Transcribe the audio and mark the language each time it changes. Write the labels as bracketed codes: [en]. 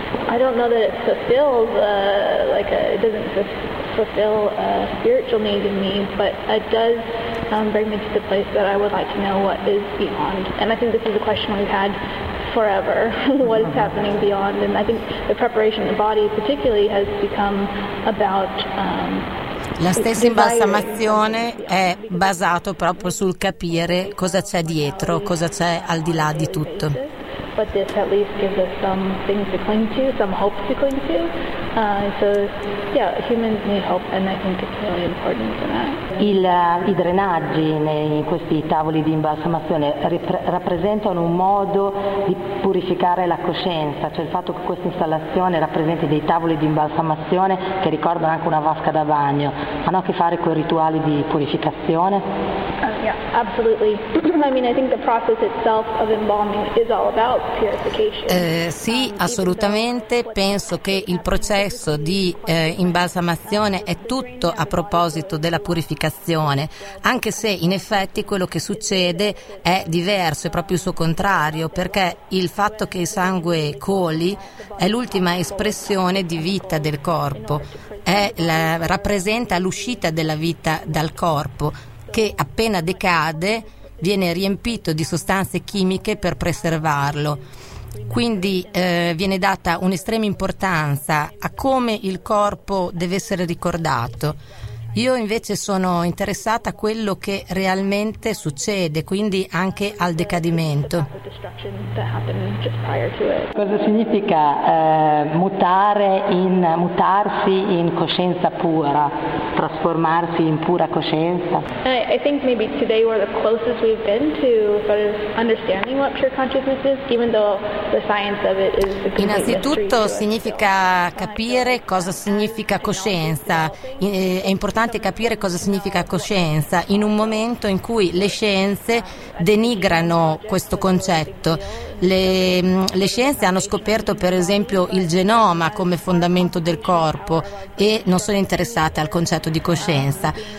[en] I don't know that it fulfills fulfill a spiritual need in me, but it does bring me to the place that I would like to know what is beyond. And I think this is a question we've had forever, what is happening beyond. And I think the preparation of the body particularly has become about [it] La stessa imbalsamazione è basato proprio sul capire cosa c'è dietro, cosa c'è al di là di tutto. [en] But this at least gives us some things to cling to, some hope to cling to. Humans need hope and I think it's really important for that. [it] I drenaggi in questi tavoli di imbalsamazione rappresentano un modo di purificare la coscienza, cioè il fatto che questa installazione rappresenti dei tavoli di imbalsamazione che ricordano anche una vasca da bagno, hanno a che fare con i rituali di purificazione? [en] Yeah, absolutely. I mean, I think the process itself of embalming is all about purification. [it] Sì, assolutamente. Penso che il processo di imbalsamazione è tutto a proposito della purificazione, anche se in effetti quello che succede è diverso, è proprio il suo contrario, perché il fatto che il sangue coli è l'ultima espressione di vita del corpo, rappresenta l'uscita della vita dal corpo, che appena decade viene riempito di sostanze chimiche per preservarlo. Quindi viene data un'estrema importanza a come il corpo deve essere ricordato. Io invece sono interessata a quello che realmente succede, quindi anche al decadimento. Cosa significa mutarsi in coscienza pura, trasformarsi in pura coscienza? [en] I think maybe today we're the closest we've been to sort of understanding what pure consciousness is, even though the science of it is. [it] Innanzitutto significa capire cosa significa coscienza. È importante capire cosa significa coscienza in un momento in cui le scienze denigrano questo concetto. Le scienze hanno scoperto per esempio il genoma come fondamento del corpo e non sono interessate al concetto di coscienza.